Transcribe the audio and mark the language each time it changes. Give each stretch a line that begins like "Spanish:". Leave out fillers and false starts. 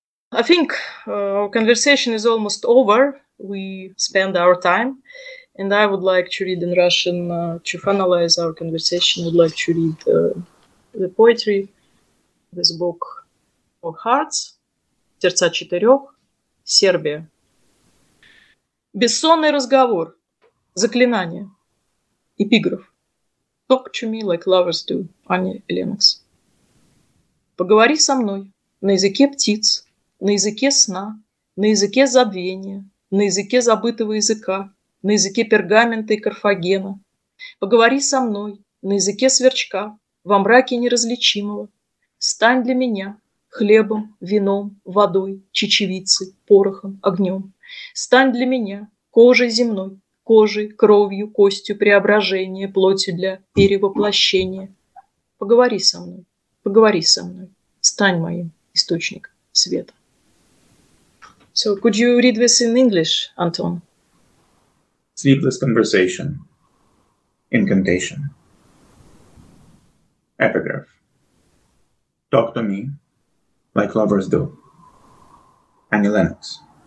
English: I think our conversation is almost over. We spend our time. And I would like to read in Russian, to finalize our conversation, I would like to read the poetry, this book of hearts, Терца четырех, Сербия.
Russian: Бессонный разговор, заклинание, эпиграф.
English: Talk to me like lovers do,
Russian: Аня Ленокс. Поговори со мной на языке птиц, на языке сна, на языке забвения, на языке забытого языка, на языке пергамента и Карфагена. Поговори со мной на языке сверчка, во мраке неразличимого. Стань для меня хлебом, вином, водой, чечевицей, порохом, огнем. Стань для меня кожей земной, кожей, кровью, костью, преображение, плотью для перевоплощения. Поговори со мной, стань моим источником света.
English: So, could you read this in English, Anton? Sleepless conversation, incantation, epigraph. Talk to me like lovers do. Annie Lennox.